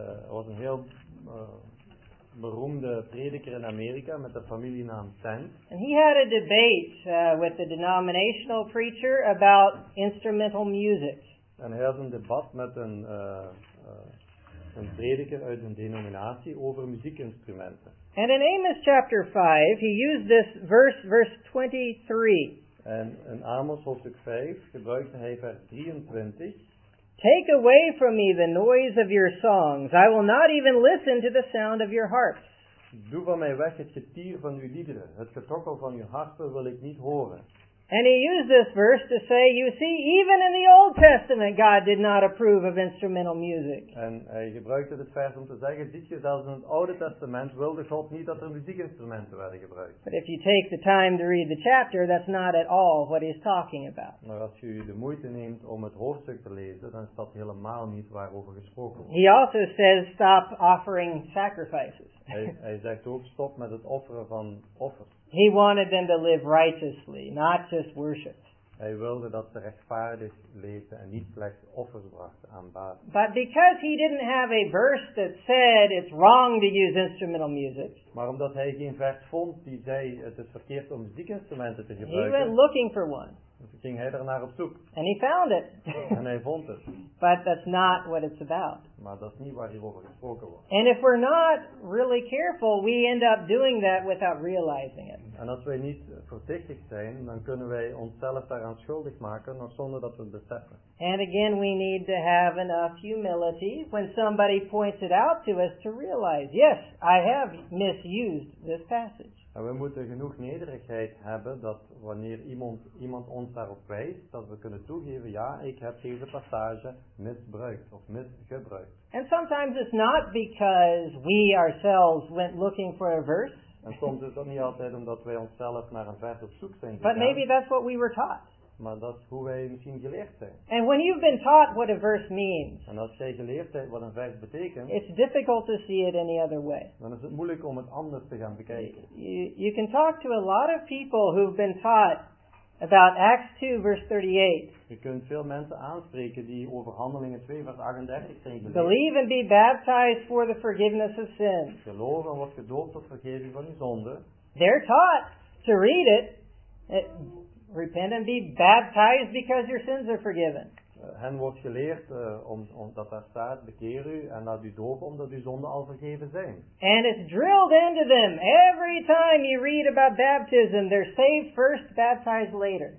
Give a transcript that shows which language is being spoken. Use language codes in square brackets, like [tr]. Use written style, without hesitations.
[nl] Was een heel beroemde prediker in Amerika met de familienaam Tant. [en] And he had a debate with the denominational preacher about instrumental music. [nl] En hij had een debat met een prediker uit een denominatie over muziekinstrumenten. [en] And in Amos chapter 5, he used this verse 23. [nl] En in Amos hoofdstuk 5 gebruikte hij vers 23. [en] Take away from me the noise of your songs. I will not even listen to the sound of your harps. [nl] Doe van mij weg het getier van uw liederen. Het getokkel van uw harpen wil ik niet horen. [en] And he used this verse to say, you see, even in the Old Testament, God did not approve of instrumental music. [nl] En hij gebruikte dit vers om te zeggen, ziet je, zelfs in het Oude Testament wilde God niet dat er muziekinstrumenten werden gebruikt. [en] But if you take the time to read the chapter, that's not at all what he's talking about. [nl] Maar als je de moeite neemt om het hoofdstuk te lezen, dan is dat helemaal niet waarover gesproken wordt. [en] He also says, stop offering sacrifices. [nl] Hij zegt ook, stop met het offeren van offers. [en] He wanted them to live righteously, not just worship. [nl] Hij wilde dat ze rechtvaardig leefden en niet slechts offers brachten aan baat. [en] But because he didn't have a verse that said it's wrong to use instrumental music. [nl] Maar omdat hij geen vers vond die zei het is verkeerd om muziekinstrumenten te gebruiken. [en] He went looking for one. [nl] Dus ging hij ernaar op zoek. [en] And he found it. [nl] En hij vond het. [en] But that's not what it's about. [nl] Maar dat is niet waar hierover gesproken wordt. [en] And if we're not really careful, we end up doing that without realizing it. [nl] En als wij niet voorzichtig zijn, dan kunnen wij onszelf daaraan schuldig maken, nog zonder dat we het beseffen. [en] And again, we need to have enough humility when somebody points it out to us to realize, yes, I have misused this passage. [nl] En we moeten genoeg nederigheid hebben dat wanneer iemand ons daarop wijst, dat we kunnen toegeven, ja, ik heb deze passage misbruikt of misgebruikt. [en] And sometimes it's not because we ourselves went looking for a verse. [nl] En soms is dat niet altijd omdat wij onszelf naar een vers op zoek zijn. [en] But maybe that's what we were taught. [nl] Maar dat is hoe wij misschien geleerd zijn. [en] And when you've been taught what a verse means, [nl] en als jij geleerd hebt wat een vers betekent, [en] it's difficult to see it any other way. [nl] Dan is het moeilijk om het anders te gaan bekijken. [en] You can talk to a lot of people who've been taught about Acts 2 verse 38. [nl] Je kunt veel mensen aanspreken die over Handelingen 2 vers 38 zijn geleerd. [en] Believe and be baptized for the forgiveness of sins. [nl] Geloof en word gedoopt tot vergeving van je zonden. [en] They're taught to read it. Repent and be baptized because your sins are forgiven. [nl] Hen wordt geleerd om dat daar staat, bekeer u en laat u dopen omdat uw zonden al vergeven zijn. [en] And it's drilled into them. Every time you read about baptism, they're saved first, baptized later.